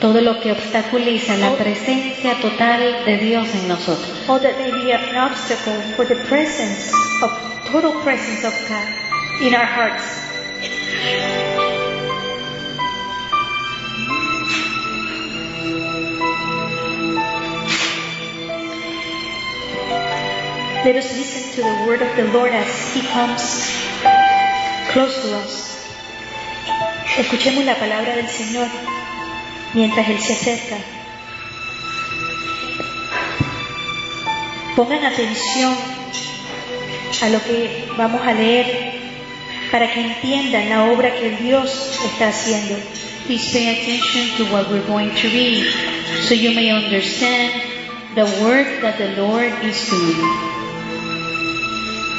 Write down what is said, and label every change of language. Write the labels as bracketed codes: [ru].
[es] Todo lo que obstaculiza la presencia total de Dios en nosotros. [en] All that may be an obstacle for the presence of total presence of God in our hearts. Let us listen to the word of the Lord as He comes close to us. [es] Escuchemos la palabra del Señor mientras Él se acerca. Pongan atención a lo que vamos a leer para que entiendan la obra que Dios está haciendo. [en] Please pay attention to what we're going to read so you may understand the work that the Lord is doing.